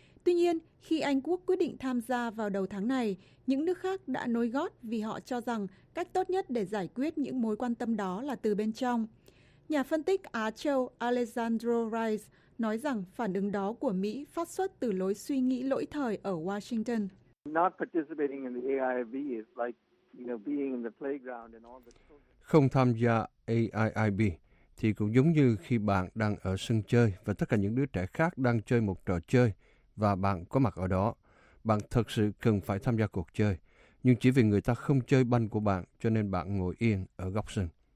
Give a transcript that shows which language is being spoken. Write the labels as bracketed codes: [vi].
[vi] Tuy nhiên, khi Anh Quốc quyết định tham gia vào đầu tháng này, những nước khác đã nối gót vì họ cho rằng cách tốt nhất để giải quyết những mối quan tâm đó là từ bên trong. Nhà phân tích Á Châu Alessandro Rice nói rằng phản ứng đó của Mỹ phát xuất từ lối suy nghĩ lỗi thời ở Washington. [en] Not participating in the AIIB is like, you know, being in the playground and all the. [vi] không tham gia AIIB thì cũng giống như khi bạn đang ở sân chơi và tất cả những đứa trẻ khác đang chơi một trò chơi và bạn có mặt ở đó. Bạn thật sự cần phải tham gia cuộc chơi, nhưng chỉ vì người ta không chơi banh của bạn cho nên bạn ngồi yên ở góc sân.